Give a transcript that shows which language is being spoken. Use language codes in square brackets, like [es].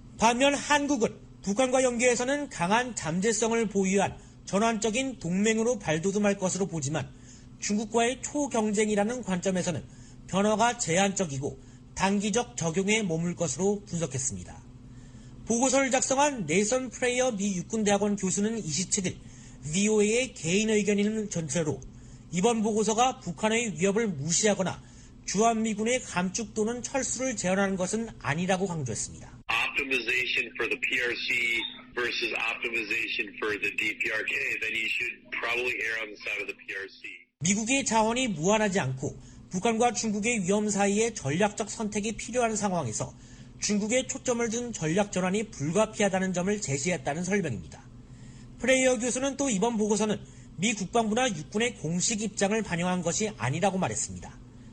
[ko] 반면 한국은 북한과 연계해서는 강한 잠재성을 보유한 전환적인 동맹으로 발돋움할 것으로 보지만 중국과의 초경쟁이라는 관점에서는 변화가 제한적이고 단기적 적용에 머물 것으로 분석했습니다. 보고서를 작성한 네이선 프레이어 미 육군대학원 교수는 27일 VOA의 개인 의견인 전체로 이번 보고서가 북한의 위협을 무시하거나 주한미군의 감축 또는 철수를 제한하는 것은 아니라고 강조했습니다. [en] Optimization for the PRC versus optimization for the DPRK, then you should probably err on the side of the PRC. [ko] 미국의 자원이 무한하지 않고 북한과 중국의 위험 사이에 전략적 선택이 필요한 상황에서 중국에 초점을 둔 전략 전환이 불가피하다는 점을 제시했다는 설명입니다. 프레이어 교수는 또 이번 보고서는 미 국방부나 육군의 공식 입장을 반영한 것이 아니라고 말했습니다.